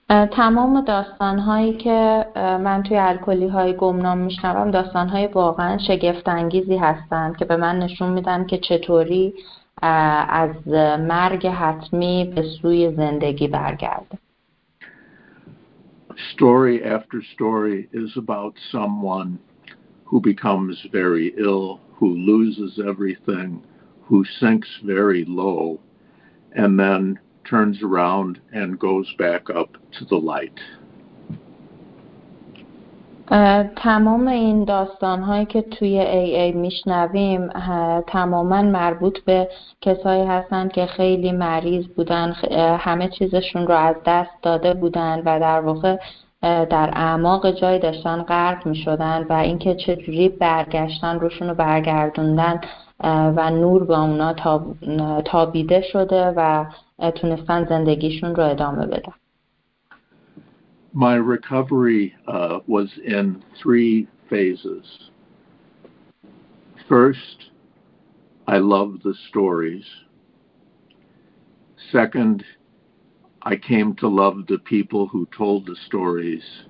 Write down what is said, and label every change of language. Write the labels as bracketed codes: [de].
[fa] تمام داستان‌هایی که من توی الکلی‌های گمنام می‌شنوم داستان‌های واقعاً شگفت‌انگیزی هستند که به من نشون میدن که چطوری از مرگ حتمی به سوی زندگی برگرده. [en] Story after story is about someone who becomes very ill, who loses everything, who sinks very low, and then turns around and goes back up to the light. [fa] تمام این داستان‌هایی که توی AA میشنویم تماماً مربوط به کسایی هستن که خیلی مریض بودن، همه چیزشون رو از دست داده بودن و در واقع در اعماق جای داشتن غرق می‌شدن و اینکه چجوری برگشتن، روشون رو برگردوندن و نور با اونا تابیده شده و تونستن زندگیشون رو ادامه بدن. [en] My recovery was in three phases. First, I loved the stories. Second, I came to love the people who told the stories.